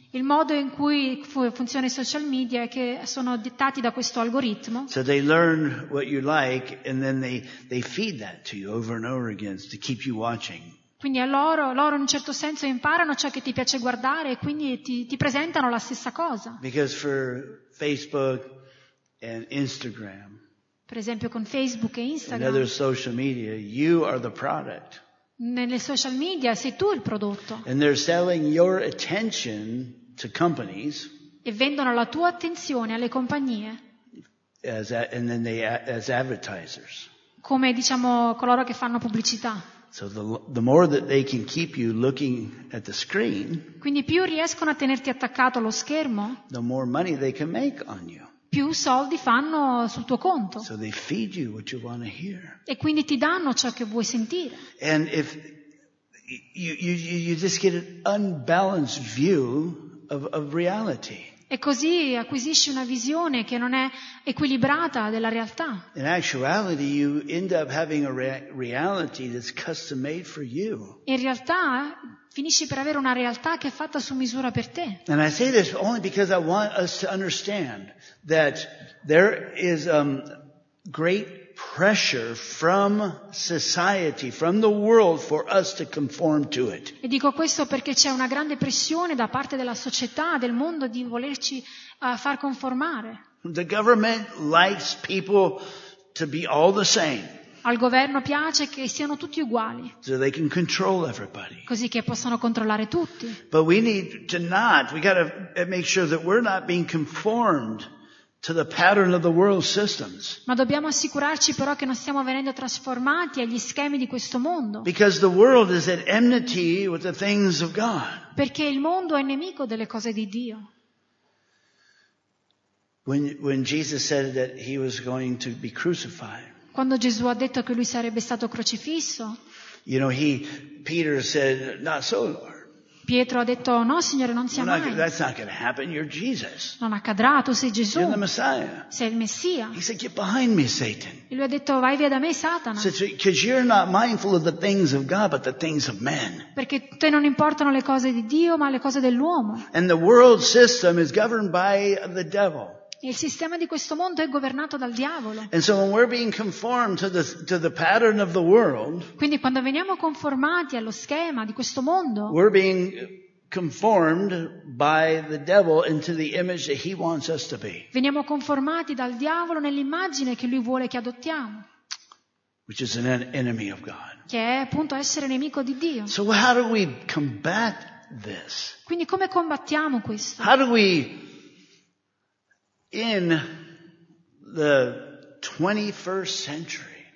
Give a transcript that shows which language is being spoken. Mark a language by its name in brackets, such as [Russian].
[Italian] Il modo in cui funziona i social media è che sono dettati da questo algoritmo. [English] So they learn what you like and then they feed that to you over and over again to keep you watching. [Italian] Quindi loro in un certo senso imparano ciò che ti piace guardare e quindi ti presentano la stessa cosa. [English] Because for Facebook and Instagram. [Italian] Per esempio con Facebook e Instagram. [English] And other social media, you are the product. [Italian] Nelle social media sei tu il prodotto. [English] And they're selling your attention to companies. [Italian] E vendono la tua attenzione alle compagnie. [English] As advertisers. [Italian] Come, diciamo, coloro che fanno pubblicità. [English] So the more that they can keep you looking at the screen. [Italian] Quindi più riescono a tenerti attaccato allo schermo. [English] The more money they can make on you. [Italian] Più soldi fanno sul tuo conto. [English] So they feed you what you want to hear. [Italian] E quindi ti danno ciò che vuoi sentire. [English] And if you just get an unbalanced view of reality. [Italian] E così acquisisci una visione che non è equilibrata della realtà. [English] In actuality you end up having a reality that's custom made for you. [Italian] In realtà finisci per avere una realtà che è fatta su misura per te. [English] And I say this only because I want us to understand that there is great pressure from society, from the world, for us to conform to it. [Italian] E dico questo perché c'è una grande pressione da parte della società, del mondo, di volerci far conformare. [English] The government likes people to be all the same. [Italian] Al governo piace che siano tutti uguali. [English] So they can control everybody. [Italian] Così che possano controllare tutti. [English] But we need to not. We got to make sure that we're not being conformed to the pattern of the world systems. [Italian] Ma dobbiamo assicurarci però che non stiamo venendo trasformati agli schemi di questo mondo. [English] Because the world is at enmity with the things of God. [Italian] Perché il mondo è nemico delle cose di Dio. [English] When Jesus said that he was going to be crucified. [Italian] Quando Gesù ha detto che lui sarebbe stato crocifisso. [English] You know, Peter said, "Not so, Lord." [Italian] Pietro ha detto: "No, Signore, non sia mai." [English] That's not going to happen. You're Jesus. [Italian] Non accadrà, tu sei Gesù. [English] You're the Messiah. [Italian] Sei il Messia. [English] He said, "Get behind me, Satan." [Italian] E lui ha detto: "Vai via da me, Satana." [English] Because you're not mindful of the things of God, but the things of men. [Italian] Perché te non importano le cose di Dio, ma le cose dell'uomo. [English] And the world system is governed by the devil. [Italian] Il sistema di questo mondo è governato dal diavolo. [English] And so when we're being conformed to the pattern of the world, [Italian] quindi quando veniamo conformati allo schema di questo mondo, [English] we're being conformed by the devil into the image that he wants us to be. [Italian] Veniamo conformati dal diavolo nell'immagine che lui vuole che adottiamo. [English] Which is an enemy of God. [Italian] Che è appunto essere nemico di Dio. [English] So how do we combat this? [Italian] Quindi come combattiamo questo? [English] How do we in the 21st century,